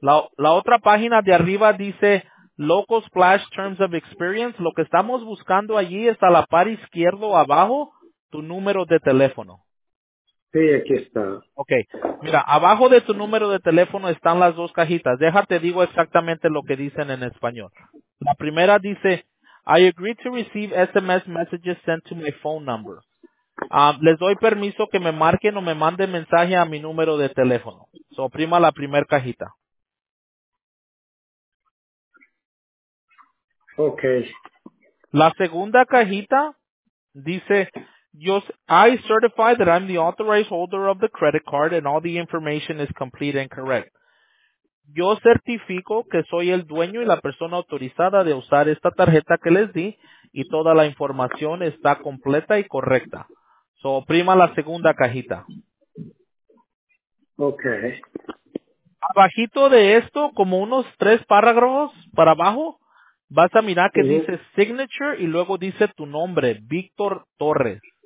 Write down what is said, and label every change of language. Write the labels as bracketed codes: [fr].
[es] La otra página de arriba dice Local Splash Terms of Experience. Lo que estamos buscando allí es a la par izquierdo abajo tu número de teléfono. Sí, aquí está. Okay, mira, abajo de tu número de teléfono están las dos cajitas. Déjate digo exactamente lo que dicen en español. La primera dice, [en] I agree to receive SMS messages sent to my phone number. [es] Les doy permiso que me marquen o me manden mensaje a mi número de teléfono. Oprima la primer cajita. Okay. La segunda cajita dice, [en] I certify that I'm the authorized holder of the credit card and all the information is complete and correct. [es] Yo certifico que soy el dueño y la persona autorizada de usar esta tarjeta que les di y toda la información está completa y correcta. So, oprima la segunda cajita. Okay. Abajito de esto, como unos tres párrafos para abajo, vas a mirar que dice signature y luego dice tu nombre, Víctor Torres.